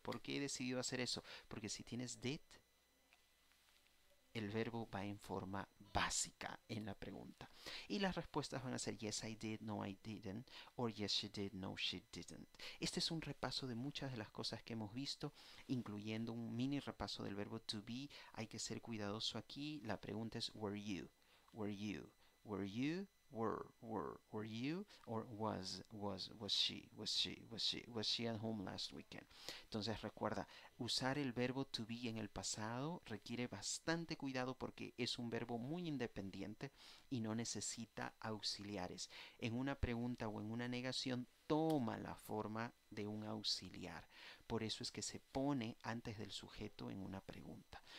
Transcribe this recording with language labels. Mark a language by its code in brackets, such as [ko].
[es] ¿Por qué he decidido hacer eso? Porque si tienes did, el verbo va en forma básica en la pregunta. Y las respuestas van a ser [en] yes, I did, no, I didn't, or yes, she did, no, she didn't. [es] Este es un repaso de muchas de las cosas que hemos visto, incluyendo un mini repaso del verbo to be. Hay que ser cuidadoso aquí. La pregunta es [en] were you? Were you? Were you? Were you or was she at home last weekend? [es] Entonces recuerda, usar el verbo to be en el pasado requiere bastante cuidado porque es un verbo muy independiente y no necesita auxiliares. En una pregunta o en una negación toma la forma de un auxiliar. Por eso es que se pone antes del sujeto en una pregunta.